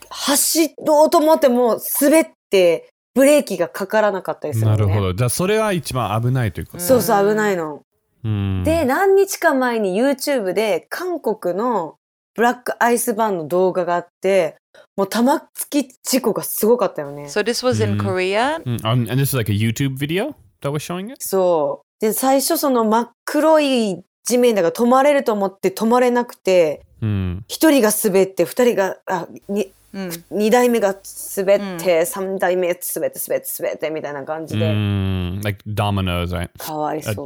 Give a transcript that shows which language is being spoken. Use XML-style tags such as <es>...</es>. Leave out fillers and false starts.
<ja>走ろうと思っても滑ってブレーキがかからなかったりするねなるほどじゃあそれは一番危ないというか、 mm. そうそう危ないの、 mm. で何日か前に YouTube で韓国のブラックアイスバーンの動画があってもう玉突き事故がすごかったよね。</ja> <en>So this was in Korea?、 Mm. Mm. And this is like a YouTube video that was showing it?</en> <ja>そう。で、最初その真っ黒い地面だから止まれると思って止まれなくて、一、mm. 人が滑って、二人が、あ、二、mm. 代目が滑って、三、mm. 代目滑って、滑って、滑ってみたいな感じで。</ja> <en>Mm. Like dominoes, right?</en> <ja>かわいそう。</ja>